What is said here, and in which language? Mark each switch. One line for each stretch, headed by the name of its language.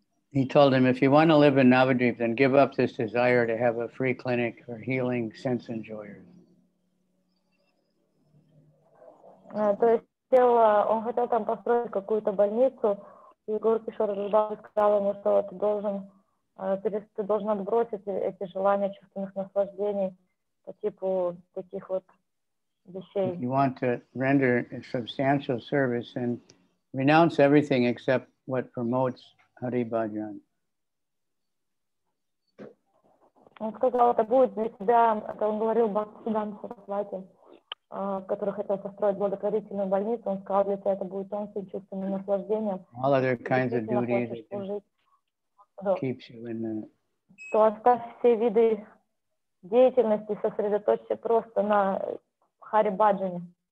English: He told him, if you want to live in Navadvip, then give up this desire to have a free clinic for healing sense enjoyers.
Russian: Он хотел там построить какую-то больницу, и Гуру Кишора Дасгупта сказал ему, что ты должен отбросить эти желания чувственных наслаждений по типу таких вот
Sanskrit: vishay.
English: You want to render a substantial service and renounce everything except what promotes Hari Bhajan.
Russian: Он сказал, это будет для тебя, это он говорил Бхактисиддханте Сарасвати, который хотел построить благотворительную больницу, он сказал, для тебя это будет тонким чувственным наслаждением.
English: All other kinds of duties keeps you in the...
Russian: То оставь все виды деятельности, сосредоточься просто на Хари Бхаджане.